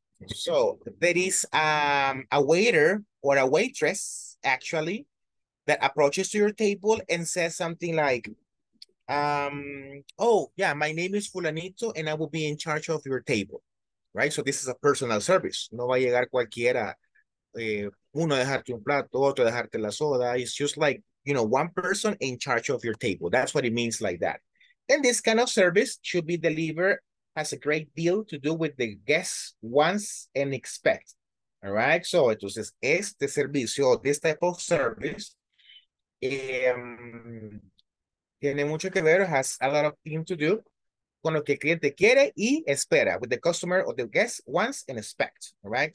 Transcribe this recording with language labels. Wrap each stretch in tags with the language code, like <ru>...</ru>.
<en>So there is a waiter or a waitress, actually, that approaches to your table and says something like, oh, yeah, my name is Fulanito, and I will be in charge of your table, right? So this is a personal service.</en> <es>No va a llegar cualquiera, uno dejarte un plato, otro dejarte la soda.</es> <en>It's just like, you know, one person in charge of your table. That's what it means like that. And this kind of service should be delivered has a great deal to do with the guests wants and expect. All right. So,</en> <es>entonces, este servicio,</es> <en>this type of service,</en> <es>tiene mucho que ver,</es> <en>has a lot of things to do</en> <es>con lo que el cliente quiere y espera,</es> <en>with the customer or the guest wants and expect. All right.</en>